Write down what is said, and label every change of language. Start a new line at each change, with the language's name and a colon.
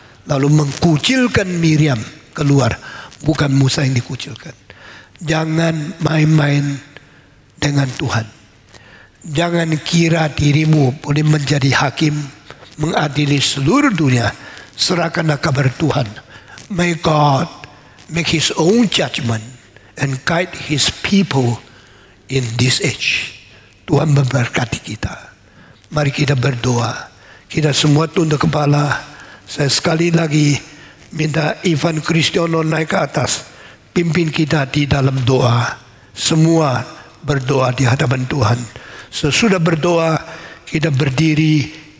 Indonesian: Lalu mengkucilkan Miriam keluar. Bukan Musa yang dikucilkan. Jangan main-main dengan Tuhan. Jangan kira dirimu boleh menjadi hakim, mengadili seluruh dunia. Serahkanlah kepada Tuhan.
English: May God make his own judgment and guide his people in this age.
Indonesian: Tuhan memberkati kita. Mari kita berdoa. Kita semua tunduk kepala. Saya sekali lagi minta Ivan Kristiono naik ke atas. Pimpin kita di dalam doa. Semua berdoa di hadapan Tuhan. Sesudah berdoa, kita berdiri.